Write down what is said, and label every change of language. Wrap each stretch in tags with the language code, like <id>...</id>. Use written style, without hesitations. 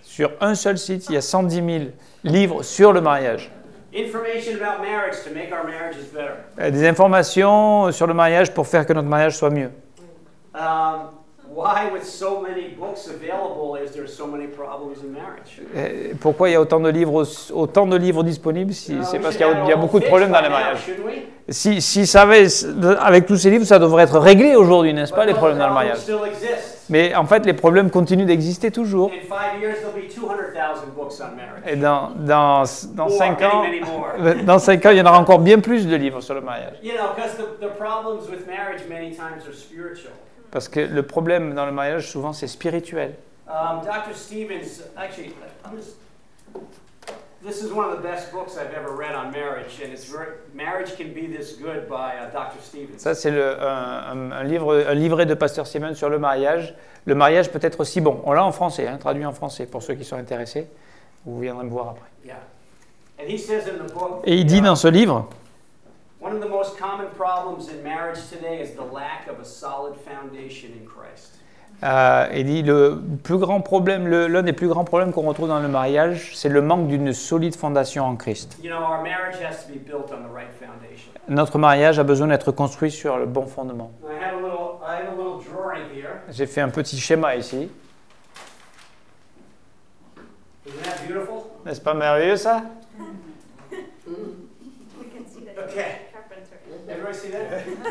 <fr>Sur un seul site, il y a 110,000 livres sur le mariage.</fr> <en>Information about marriage to make our marriages better.</en> <fr>Des informations sur le mariage pour faire que notre mariage soit mieux.</fr> <en>Why with so many books available is there so many problems in marriage?</en> <fr>Pourquoi il y a autant de livres disponibles si c'est parce qu'il y a beaucoup de problèmes dans les mariages. Si ça avait, avec tous ces livres, ça devrait être réglé aujourd'hui, n'est-ce pas, les problèmes dans le mariage? Mais en fait, les problèmes continuent d'exister toujours.</fr> <en>In 5 years, there'll be 200,000 books on marriage.</en> <fr>Et dans cinq ans, il y en aura encore bien plus de livres sur le mariage.</fr> <en>You know, because the problems with marriage many times are spiritual.</en> <fr>Parce que le problème dans le mariage, souvent, c'est spirituel.</fr> <en>Dr. Stevens, actually, this is one of the best books I've ever read on marriage, and it's Marriage Can Be This Good by Dr. Stevens.</en> <fr>Ça, c'est un livret de Pasteur Stevens sur le mariage. Le mariage peut être aussi bon. On l'a en français, hein, traduit en français, pour ceux qui sont intéressés. Vous viendrez me voir après.</fr> <en>Yeah. And he says in the book,</en> <fr>et il dit dans ce livre...</fr> <en>One of the most common problems in marriage today is the lack of a solid foundation in Christ.</en> <fr>L'un des plus grands problèmes qu'on retrouve dans le mariage, c'est le manque d'une solide fondation en Christ.</fr> <en>You know, our marriage has to be built on the right foundation.</en> <fr>Notre mariage a besoin d'être construit sur le bon fondement.</fr> <en>I have a little drawing here.</en> <fr>J'ai fait un petit schéma ici.</fr> <en>Isn't that beautiful?</en> <fr>N'est-ce pas merveilleux ça?</fr> <en>Okay. Everybody see that?</en>